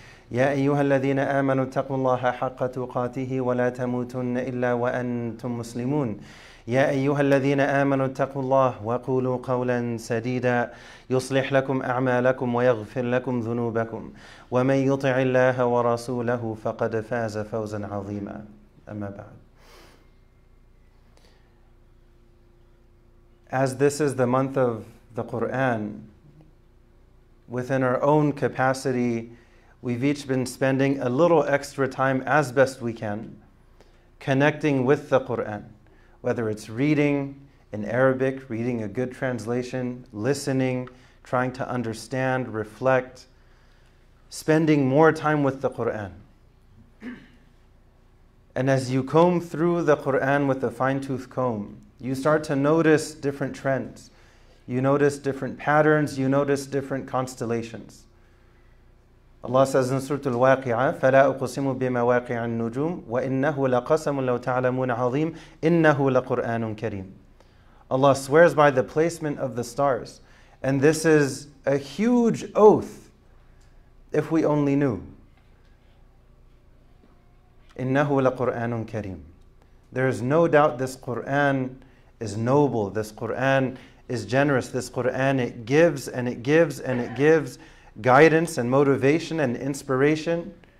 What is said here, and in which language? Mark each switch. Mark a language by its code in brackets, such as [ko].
[ar] يا أيها الذين آمنوا اتقوا الله حق تقاته ولا تموتن إلا وأنتم مسلمون يا أيها الذين آمنوا اتقوا الله وقولوا قولا سديدا يصلح لكم أعمالكم ويغفر لكم ذنوبكم ومن يطع الله ورسوله فقد فاز فوزا عظيما أما بعد. [en] As this is the month of the Quran, within our own capacity, we've each been spending a little extra time as best we can connecting with the Quran. Whether it's reading in Arabic, reading a good translation, listening, trying to understand, reflect, spending more time with the Qur'an. And as you comb through the Qur'an with a fine-tooth comb, you start to notice different trends. You notice different patterns, you notice different constellations. Allah says in Surah Al-Waqi'ah, [ar] فَلَا أُقْسِمُ بِمَوَاقِعِ النُّجُومِ وَإِنَّهُ لَقَسَمٌ لَوْ تَعْلَمُونَ عَظِيمٌ إِنَّهُ لَقُرْآنٌ كَرِيمٌ. [en] Allah swears by the placement of the stars. And this is a huge oath, if we only knew. [ar] إِنَّهُ لَقُرْآنٌ كَرِيمٌ. [en] There is no doubt this Qur'an is noble, this Qur'an is generous, this Qur'an, it gives and it gives and it gives guidance and motivation and inspiration.